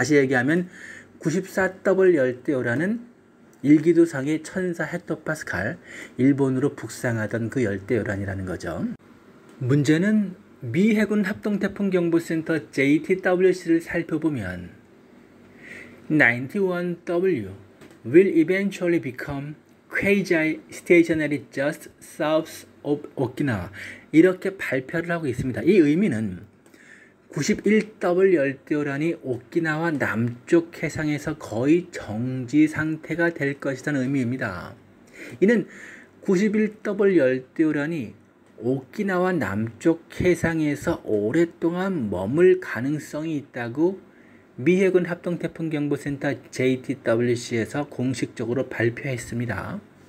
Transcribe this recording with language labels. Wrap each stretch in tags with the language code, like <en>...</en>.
<ko>다시 얘기하면 94W 열대요란은 일기도상의 천사 헥토파스칼, 일본으로 북상하던 그 열대요란이라는 거죠. 문제는 미 해군 합동태풍경보센터 JTWC를 살펴보면 91W,</ko> <en>will eventually become quasi stationary just south of Okinawa.</en> <ko>이렇게 발표를 하고 있습니다. 이 의미는 91W 열대우란이 오키나와 남쪽 해상에서 거의 정지 상태가 될 것이라는 의미입니다. 이는 91W 열대우란이 오키나와 남쪽 해상에서 오랫동안 머물 가능성이 있다고 미 해군 합동 태풍 경보 센터 JTWC에서 공식적으로 발표했습니다.</ko>